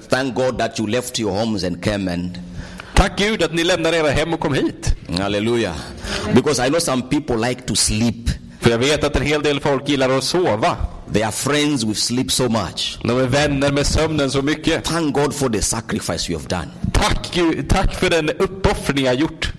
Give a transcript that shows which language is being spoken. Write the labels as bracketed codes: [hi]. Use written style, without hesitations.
[en] Thank God that you left your homes and came and [sv] tack Gud att ni lämnar era hem och kom hit. Halleluja. [en] Because I know some people like to sleep. [sv] För jag vet att en hel del folk gillar att sova. [en] They are friends with sleep so much. [sv] De är vänner med sömnen så mycket. [en] Thank God for the sacrifice you have done. [sv] Tack för den uppoffring jag gjort.